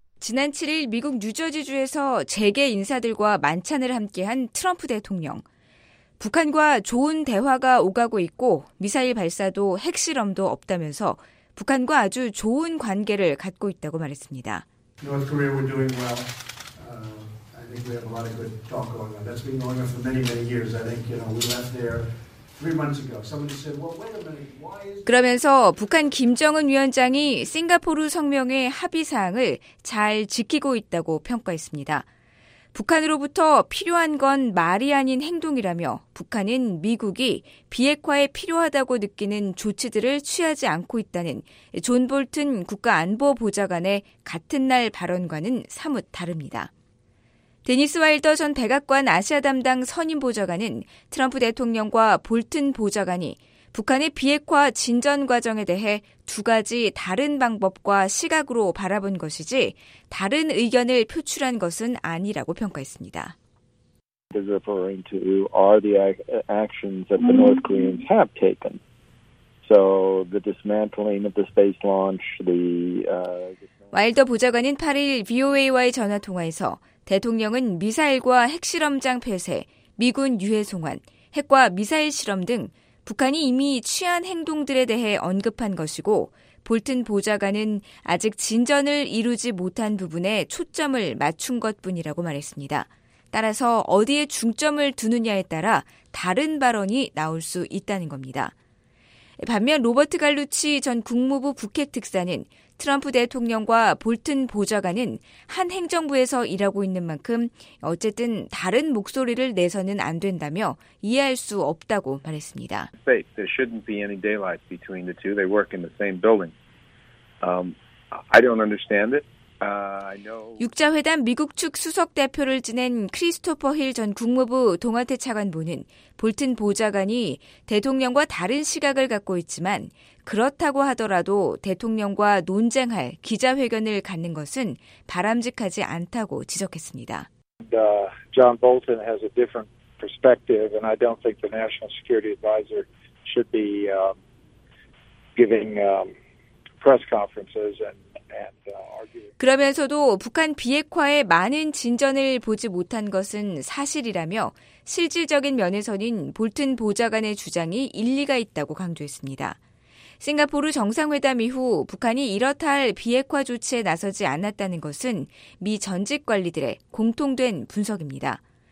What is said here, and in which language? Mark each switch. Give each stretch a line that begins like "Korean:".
Korean: 지난 7일 미국 뉴저지주에서 재계 인사들과 만찬을 함께한 트럼프 대통령. 북한과 좋은 대화가 오가고 있고 미사일 발사도 핵실험도 없다면서 북한과 아주 좋은 관계를 갖고 있다고 말했습니다.
English: North Korea, we're doing well. I think we have a lot of good talk going on. That's been going on for many, many years. I think, you know, we left there 3 months ago. Somebody said, well, wait a minute, why is...
Korean: 그러면서 북한 김정은 위원장이 싱가포르 성명의 합의 사항을 잘 지키고 있다고 평가했습니다. 북한으로부터 필요한 건 말이 아닌 행동이라며 북한은 미국이 비핵화에 필요하다고 느끼는 조치들을 취하지 않고 있다는 존 볼튼 국가안보보좌관의 같은 날 발언과는 사뭇 다릅니다. 데니스 와일더 전 백악관 아시아 담당 선임 보좌관은 트럼프 대통령과 볼튼 보좌관이 북한의 비핵화 진전 과정에 대해 두 가지 다른 방법과 시각으로 바라본 것이지 다른 의견을 표출한 것은 아니라고 평가했습니다.
English: They're referring to are the actions that the North Koreans have taken. So the dismantling of the space launch, the
Korean: 와일더 보좌관은 8일 VOA와의 전화 통화에서 대통령은 미사일과 핵실험장 폐쇄, 미군 유해 송환, 핵과 미사일 실험 등 북한이 이미 취한 행동들에 대해 언급한 것이고 볼튼 보좌관은 아직 진전을 이루지 못한 부분에 초점을 맞춘 것뿐이라고 말했습니다. 따라서 어디에 중점을 두느냐에 따라 다른 발언이 나올 수 있다는 겁니다. 반면 로버트 갈루치 전 국무부 북핵 특사는 트럼프 대통령과 볼튼 보좌관은 한 행정부에서 일하고 있는 만큼 어쨌든 다른 목소리를 내서는 안 된다며 이해할 수 없다고 말했습니다.
English: There shouldn't be any daylight between the two. They work in the same building. I don't understand it. I know.
Korean: 육자회담 미국 측 수석 대표를 지낸 크리스토퍼 힐 전 국무부 동아태 차관보는 볼튼 보좌관이 대통령과 다른 시각을 갖고 있지만 그렇다고 하더라도 대통령과 논쟁할 기자회견을 갖는 것은 바람직하지 않다고 지적했습니다.
English: John Bolton has a different perspective, and I don't think the National Security Advisor should be giving press conferences and
Korean: 그러면서도 북한 비핵화에 많은 진전을 보지 못한 것은 사실이라며 실질적인 면에서는 볼튼 보좌관의 주장이 일리가 있다고 강조했습니다. 싱가포르 정상회담 이후 북한이 이렇다 할 비핵화 조치에 나서지 않았다는 것은 미 전직 관리들의 공통된 분석입니다.